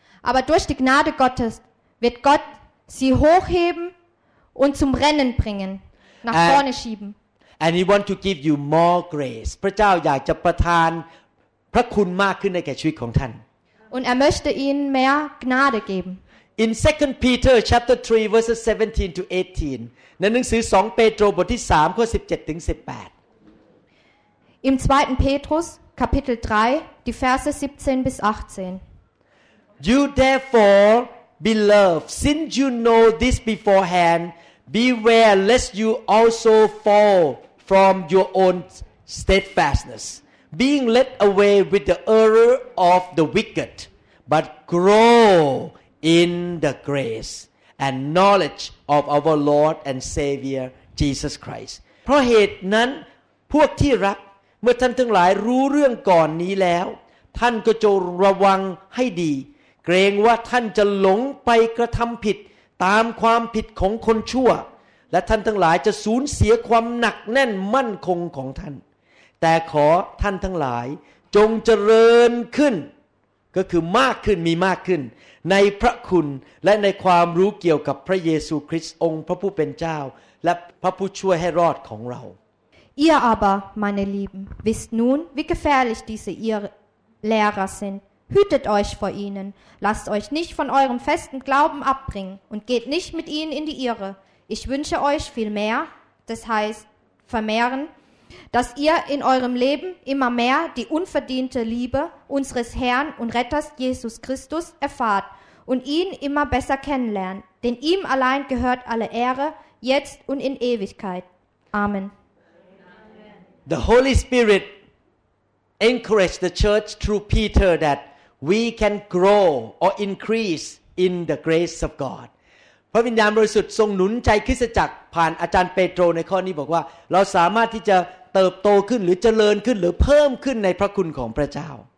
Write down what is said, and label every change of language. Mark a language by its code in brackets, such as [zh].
[de] Aber durch die Gnade Gottes wird Gott sie hochheben und zum Rennen bringen, nach vorne schieben. [en] And he want to give you more grace. [th] พระเจ้าอยากจะประทานพระคุณมากขึ้นในแก่ชีวิตของท่าน [de] Und er möchte Ihnen mehr Gnade geben. [en] In 2 Peter chapter 3 verses 17 to 18. [th] ในหนังสือ2เปโตรบทที่3ข้อ17ถึง18. [de] Im 2. Petrus Kapitel 3, die Verse 17 bis 18. [en] You therefore, beloved, since you know this beforehand, beware lest you also fall from your own steadfastness, being led away with the error of the wicked, but grow in the grace and knowledge of our Lord and Savior Jesus Christ. [th] เพราะเหตุนั้นพวกที่รักเมื่อท่านทั้งหลายรู้เรื่องก่อนนี้แล้วท่านก็จงระวังให้ดีเกรงว่าท่านจะหลงไปกระทำผิดตามความผิดของคนชั่วและท่านทั้งหลายจะสูญเสียความหนักแน่นมั่นคงของท่านแต่ขอท่านทั้งหลายจงเจริญขึ้น ก็คือมากขึ้นมีมากขึ้นในพระคุณและในความรู้เกี่ยวกับพระเยซูคริสต์องค์พระผู้เป็นเจ้าและพระผู้ช่วยให้รอดของเรา [de] Ihr aber, meine Lieben, wisst nun, wie gefährlich diese Irrlehrer sind. Hütet euch vor ihnen, lasst euch nicht von eurem festen Glauben abbringen und geht nicht mit ihnen in die Irre. Ich wünsche euch viel mehr, das heißt vermehren,dass ihr in eurem Leben immer mehr die unverdiente Liebe unseres Herrn und Retters Jesus Christus erfahrt und ihn immer besser kennenlernt. Denn ihm allein gehört alle Ehre, jetzt und in Ewigkeit. Amen. [en] The Holy Spirit encouraged the church through Peter that we can grow or increase in the grace of God. [th] พระวิญญาณบริสุทธิ์ทรงหนุนใจคริสตจักรผ่านอาจารย์เปโตรในข้อนี้บอกว่าเราสามารถที่จะเติบโตขึ้นหรือเจริญขึ้นหรือเพิ่มขึ้นในพระคุณของพระเจ้า